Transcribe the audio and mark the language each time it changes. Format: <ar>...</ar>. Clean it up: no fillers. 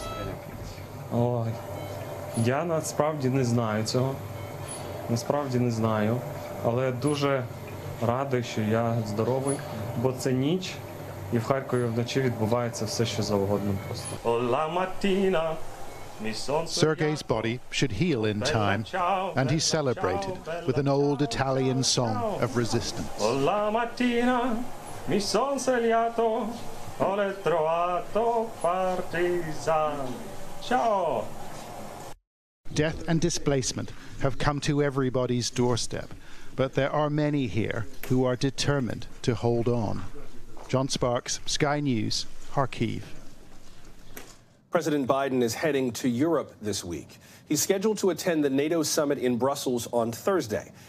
<uk>стріляв? Я насправді не знаю цього. Насправді не знаю. Але дуже радий, що я здоровий, бо це ніч, і в Харкові вночі відбувається все, що завгодно просто.</uk> <en>Sergei's body should heal in time, and he celebrated with an old Italian song of resistance.</en> <it>La mattina mi son svegliato, ho trovato partigiano. Ciao!</it> <en>Death and displacement have come to everybody's doorstep. But there are many here who are determined to hold on. John Sparks, Sky News, Kharkiv. President Biden is heading to Europe this week. He's scheduled to attend the NATO summit in Brussels on Thursday.</en>